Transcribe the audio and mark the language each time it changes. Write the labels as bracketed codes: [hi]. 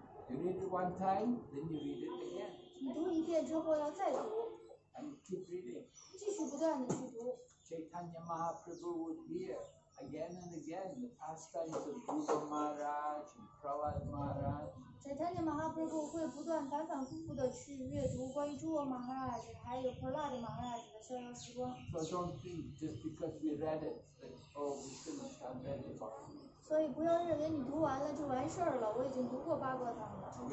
[en] You read it one time, then you read it again. [zh] 你读一遍之后要再读。 [en] And keep reading. [zh] 继续不断的去读。 [en] Chaitanya Mahaprabhu would hear again and again the pastimes of Buddha Maharaj and Prahlad Maharaj. [zh] Chaitanya Mahaprabhu 会不断反反复复的去阅读关于诸佛 Maharaj 还有 Prahlad Maharaj 的逍遥时光。 [en] So don't think just because we read it that oh we finished our Vedic book. [zh] 所以不要认为你读完了就完事儿了，我已经读过八卦堂了。